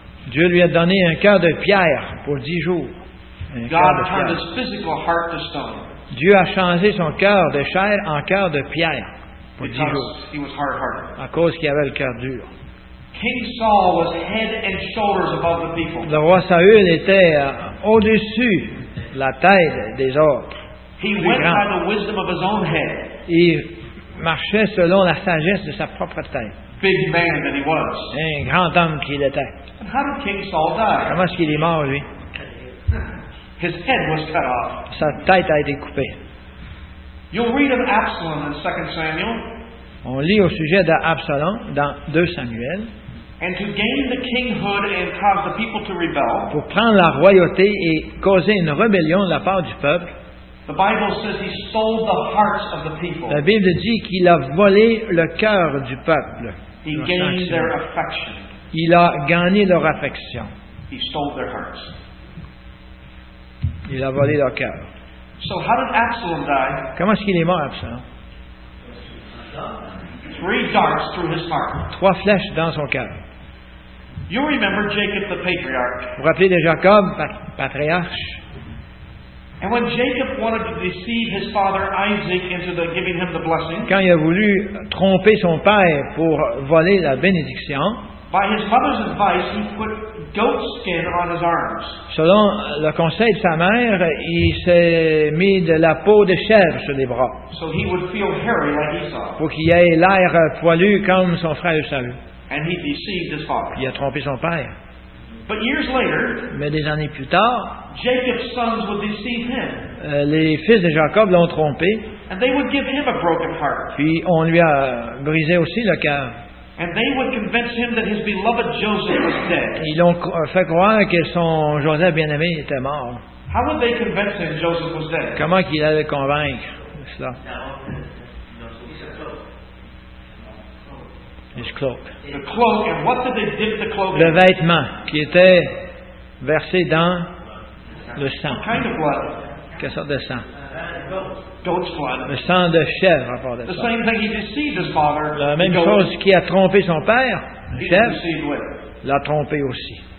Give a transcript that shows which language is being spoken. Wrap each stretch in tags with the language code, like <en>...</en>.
<fr>Dieu lui a donné un cœur de pierre pour 10 jours.</fr> <en>God turned his physical heart to stone.</en> <fr>Dieu a changé son cœur de chair en cœur de pierre pour 10 jours.</fr> <en>He was hard-hearted.</en> <fr>À cause qu'il avait le cœur dur.</fr> <en>King Saul was head and shoulders above the people.</en> <fr>Le roi Saül était au-dessus de la tête des autres.</fr> <en>He went by the wisdom of his own head.</en> <fr>Il marchait selon la sagesse de sa propre tête.</fr> <en>Big man that he was.</en> <fr>Un grand homme qu'il était.</fr> <en>And how did King Saul die?</en> <fr>Comment est-ce qu'il est mort, lui?</fr> <en>His head was cut off.</en> <fr>Sa tête a été coupée.</fr> <en>You'll read of Absalom in 2 Samuel.</en> <fr>On lit au sujet d'Absalom dans 2 Samuel.</fr> <en>And to gain the kinghood and cause the people to rebel,</en> <fr>pour prendre la royauté et causer une rébellion de la part du peuple,</fr> <en>the Bible says he stole the hearts of the people.</en> <fr>La Bible dit qu'il a volé le cœur du peuple.</fr> <en>He gained their affection.</en> <fr>Il a gagné leur affection.</fr> <en>He stole their hearts.</en> <fr>Il a volé leur cœur.</fr> <en>So how did Absalom die?</en> <fr>Comment est-ce qu'il est mort, Absalom?</fr> <en>Three darts through his heart.</en> <fr>Trois flèches dans son cœur.</fr> <en>You remember Jacob the patriarch.</en> <fr>Vous rappelez de Jacob, patriarche.</fr> <en>And when Jacob wanted to deceive his father Isaac into the giving him the blessing,</en> <fr>quand il a voulu tromper son père pour voler la bénédiction,</fr> <en>by his mother's advice, he put goat skin on his arms.</en> <fr>Selon le conseil de sa mère, il s'est mis de la peau de chèvre sur les bras.</fr> <en>So he would feel hairy like Esau.</en> <fr>Pour qu'il ait l'air poilu comme son frère Esau.</fr> <en>And he deceived his father.</en> <fr>Il a trompé son père.</fr> <en>But years later,</en> <fr>mais des années plus tard,</fr> <en>Jacob's sons would deceive him.</en> <fr>Les fils de Jacob l'ont trompé.</fr> <en>And they would give him a broken heart.</en> <fr>Puis on lui a brisé aussi le cœur.</fr> <en>And they would convince him that his beloved Joseph was dead.</en> <fr>Ils l'ont fait croire que son Joseph bien-aimé était mort.</fr> <en>How would they convince him Joseph was dead?</en> <fr>Comment qu'il allait convaincre cela?</fr> <en>His cloak. The cloak, and what did they dip the cloak in?</en> <fr>Le vêtement qui était versé dans le sang.</fr> <en>What kind of blood?</en> <fr>Quelle sorte de sang?</fr> <en>Goat's blood.</en> <fr>Le sang de chèvre, à part de ça.</fr> <en>The same thing he deceived his father.</en> <fr>La même chose qui a trompé son père, le chèvre, l'a trompé aussi.</fr>